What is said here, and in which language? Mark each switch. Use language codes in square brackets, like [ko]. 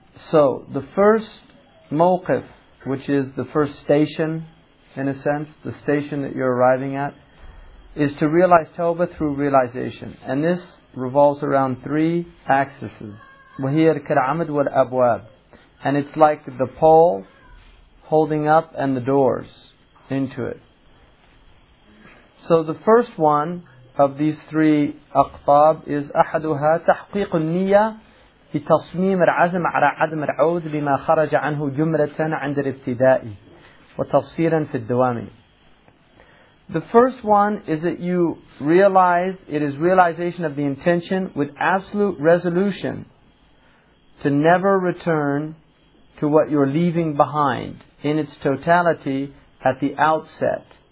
[en] So the first mawqif, which is the first station, in a sense, the station that you're arriving at, is to realize tawbah through realization. And this revolves around three axes. [ar] وَهِيَ الْكَرْعَمَدْ وَالْأَبْوَابِ, [en] and it's like the pole holding up and the doors into it. So the first one of these three [ar] أقطاب is أحدها تحقيق النية في تصميم العزم على عدم العود بما خرج عنه جملة عند الابتداء وتفصيلا في الدوام. [en] The first one is that you realize, it is realization of the intention with absolute resolution to never return to what you're leaving behind in its totality at the outset.